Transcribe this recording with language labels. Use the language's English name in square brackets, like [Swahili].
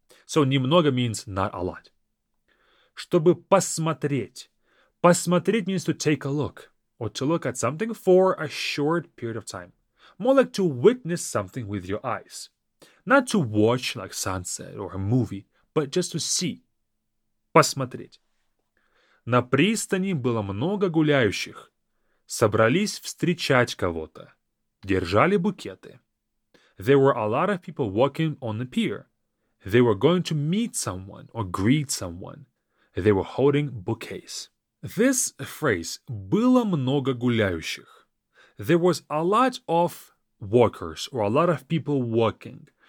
[English] So немного means not a lot. [Russian] Чтобы посмотреть. [English] Посмотреть means to take a look or to look at something for a short period of time. More like to witness something with your eyes. Not to watch like sunset or a movie, but just to see. [Russian] Посмотреть. На пристани было много гуляющих. Собрались встречать кого-то. Держали букеты. [English] There were a lot of people walking on the pier. They were going to meet someone or greet someone. They were holding bouquets. This phrase, [Russian] было много гуляющих. [English] There was a lot of walkers or a lot of people walking.